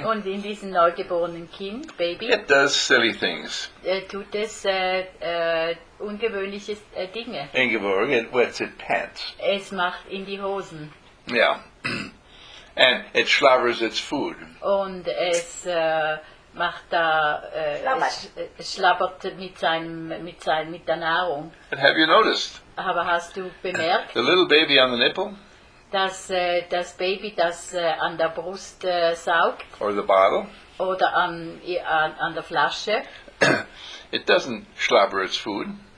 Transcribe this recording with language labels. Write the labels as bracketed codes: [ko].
[de] und in diesem neugeborenen Kind, Baby, [en] it does silly things. [de] Tut es ungewöhnliche Dinge. [en] Ingeborg, it wets its pants. [de] Es macht in die Hosen. [en] Yeah. And it schlabbers its food. [de] Und es macht da schlabbert mit der Nahrung. [en] And have you noticed? [de] Aber hast du bemerkt? [en] The little baby on the nipple? [de] Das Baby, das an der Brust saugt. [en] Or the bottle? [de] Oder an der Flasche. [en] It doesn't schlabber its food.